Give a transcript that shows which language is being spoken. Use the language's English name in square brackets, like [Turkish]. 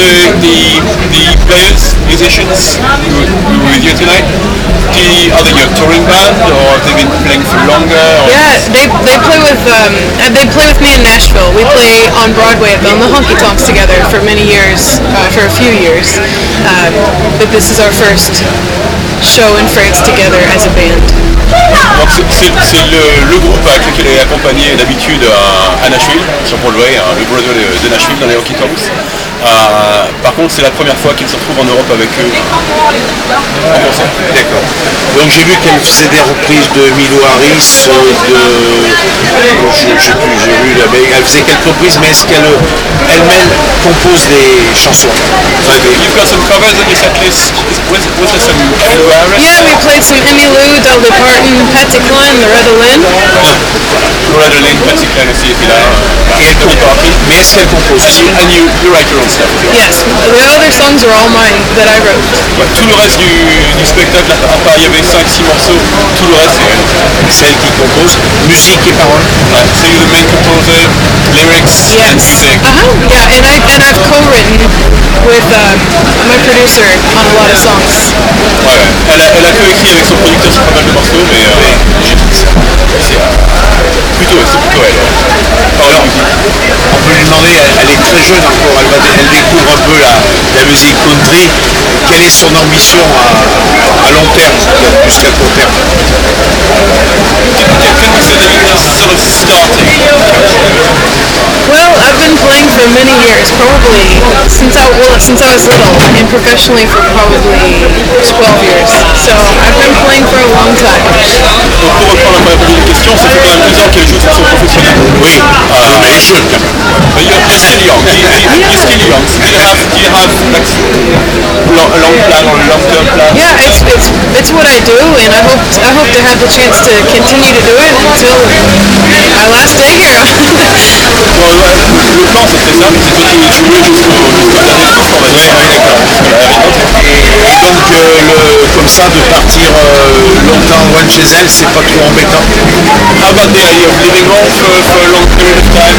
[English] The players, musicians, who are with you tonight, are they your touring band or have they been playing for longer? They play with me in Nashville. We play on Broadway at the Honky Tonks together for many years, for a few years. But this is our first show in France together as a band. [French] Donc c'est le groupe avec lequel elle est accompagnée d'habitude à Nashville, sur Broadway, le Broadway de Nashville dans les Honky Tonks. Par contre, c'est la première fois qu'il se retrouve en Europe avec eux. D'accord. Donc j'ai vu qu'elle faisait des reprises de Milo Harris, de... Elle faisait quelques reprises, mais est-ce qu'elle elle-même compose des chansons? [English] You've got some covers on your set list. Was there some Emmylou Harris? Yeah, we played some Emmylou, Dolly Parton, Patti Klein, Loretta Lynn. [French] Loretta Lynn, Patti Klein aussi, et puis là, mais est-ce qu'elle compose? [English] And you write your own stuff? Yes, the other songs are all mine that I wrote. [French] Ouais, tout le reste du spectacle, à part il y avait 5-6 morceaux, tout le reste c'est elle. C'est elle qui compose, musique et paroles. [English] Ouais, so you're the main composer, lyrics, yes, and music. Uh-huh. Yeah, and I've co-written with my producer on a lot of songs. [French] Ouais, elle a co-écrit avec son producteur sur pas mal de morceaux, mais c'est plutôt elle. Alors, on peut lui demander, elle est très jeune encore, elle découvre un peu la musique country. Quelle est son ambition à long terme, plus qu'à court terme? [English] Sort of starting. Well, I've been playing for many years, probably since I was little, and professionally for probably 12 years. So I've been playing for a long time. [French] Donc pour reprendre la première question, ça fait quand même 12 ans qu'elle joue de façon professionnelle. Oui, mais elle est jeune. [English] But you're still young. You're still young. Do you have like long plan or long term plan? Yeah, it's what I do, and I hope to have the chance to continue to do it until my last day here. [French] Le plan, c'est ça, mais c'est de continuer de jouer jusqu'au dernier jour qu'on va dire. Oui, d'accord. Et donc, comme ça, de partir longtemps loin de chez elle, c'est pas trop embêtant. [English] How about the idea of living home for a long period of time?